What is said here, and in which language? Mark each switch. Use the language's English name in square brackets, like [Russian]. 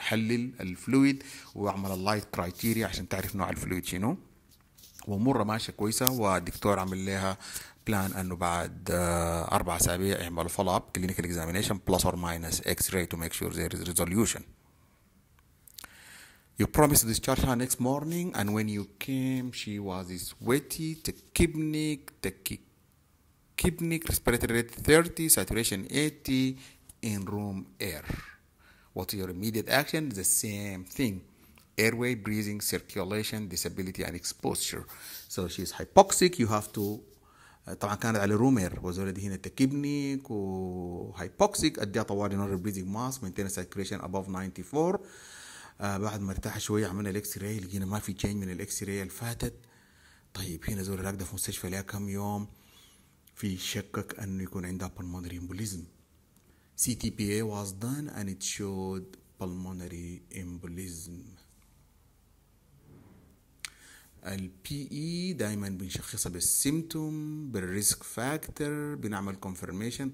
[Arabic] حلل الفلويد وعمل اللايت كرايتيريا عشان تعرف نوع الفلويد شنو ومرة ماشية كويسة والدكتور عمل لها بلان انه بعد 4 أسابيع يعمل الفولو اب [English] clinical examination plus or minus [Arabic] اكس راي [English] to make sure there is resolution. You promised to discharge her next morning, and when you came, she was sweaty, tachypneic, respiratory rate 30, saturation 80, in room air. What's your immediate action? The same thing. Airway, breathing, circulation, disability, and exposure. So she's hypoxic. You have to... [Arabic] طبعا كانت على [English] room air. Was already here tachypneic, hypoxic. [Arabic] أديها طوال [English] in order breathing mask, maintain saturation above 94. [Arabic] بعد ما ارتاح شوية عملنا الاكس راي لقينا ما في تشينج من الاكس راي الفاتت. طيب هنا زول راكده في مستشفى ليها كم يوم في شكك انه يكون عندها pulmonary embolism. [English] CTPA was done and it showed pulmonary embolism. [Arabic] PE دائما بنشخصها بالسيمتوم بالريسك فاكتور بنعمل confirmation.